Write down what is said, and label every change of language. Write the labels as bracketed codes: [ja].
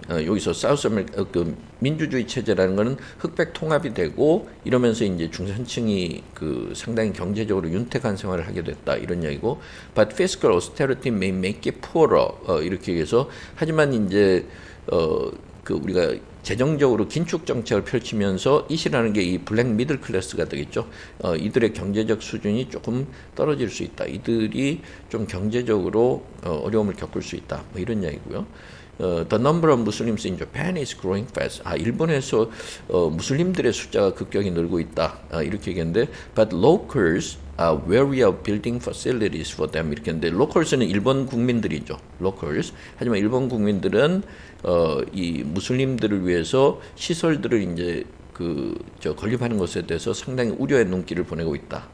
[ko] 여기서 민주주의 체제라는 거는 흑백 통합이 되고 이러면서 이제 중산층이 상당히 경제적으로 윤택한 생활을 하게 됐다 이런 이야기고 [en] but fiscal austerity may make it poorer [ko] 이렇게 얘기해서 하지만 이제 우리가 재정적으로 긴축 정책을 펼치면서 이시라는 게 이 블랙 미들 클래스가 되겠죠. 이들의 경제적 수준이 조금 떨어질 수 있다. 이들이 좀 경제적으로 어려움을 겪을 수 있다. 뭐 이런 이야기고요. [en] The number of Muslims in Japan is growing fast. [ko] 아, 일본에서 무슬림들의 숫자가 급격히 늘고 있다. 이렇게 얘기했는데 [en] But locals are wary of building facilities for them. [ko] 이렇게 했는데 locals는 일본 국민들이죠. locals. 하지만 일본 국민들은 이 무슬림들을 위해서 시설들을 이제 건립하는 것에 대해서 상당히 우려의 눈길을 보내고 있다.